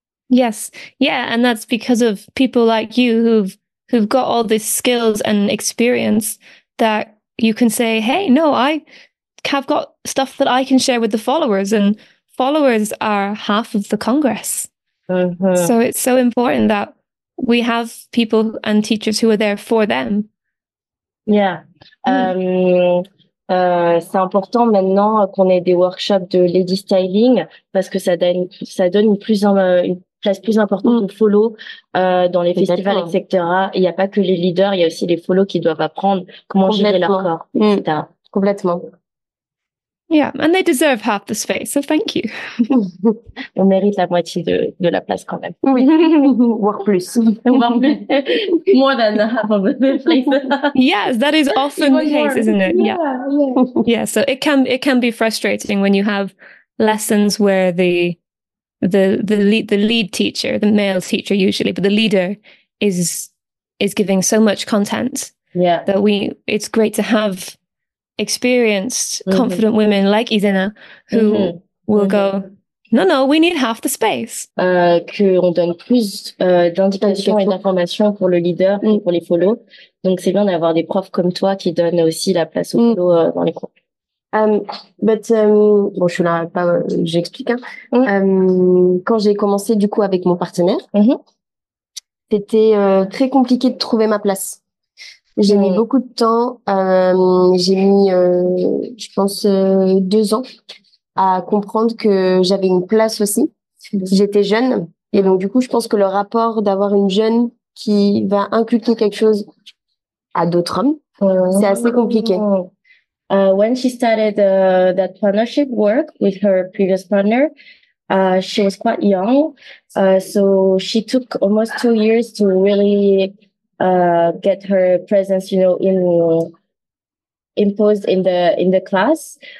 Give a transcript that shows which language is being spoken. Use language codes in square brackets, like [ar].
[en] Yes, yeah, and that's because of people like you who've got all these skills and experience that you can say, hey, no, I've got stuff that I can share with the followers, and followers are half of the Congress. Mm-hmm. So it's so important that we have people and teachers who are there for them. Yeah. [fr] C'est important maintenant qu'on ait des workshops de lady styling, parce que ça donne une place plus importante aux follow dans les festivals, etc. Il n'y a pas que les leaders, il y a aussi les follow qui doivent apprendre comment gérer leur corps, etc. Complètement. [en] Yeah, and they deserve half the space, so thank you. [fr] On mérite la moitié de la place quand même. Oui, voire plus. [en] More than half of the place. Yes, that is often the case, isn't it? Yeah. Yeah, so it can be frustrating when you have lessons where the lead teacher, the male teacher usually, but the leader is giving so much content. Yeah. That it's great to have experienced, confident women like Izena who will go, [fr] Non, non, [en] we need half the space. [fr] Qu'on donne plus d'indications et d'informations pour le leader et pour les follows. Donc, c'est bien d'avoir des profs comme toi qui donnent aussi la place aux follows dans les cours. Bon, je suis là, pas, j'explique. Hein. Quand j'ai commencé, du coup, avec mon partenaire, c'était très compliqué de trouver ma place. J'ai mis beaucoup de temps. J'ai mis, je pense, 2 ans à comprendre que j'avais une place aussi. J'étais jeune. Et donc, du coup, je pense que le rapport d'avoir une jeune qui va inculquer quelque chose à d'autres hommes, c'est assez compliqué. [en] When she started that partnership work with her previous partner, she was quite young. So she took almost 2 years to really get her presence, you know, in imposed in the class.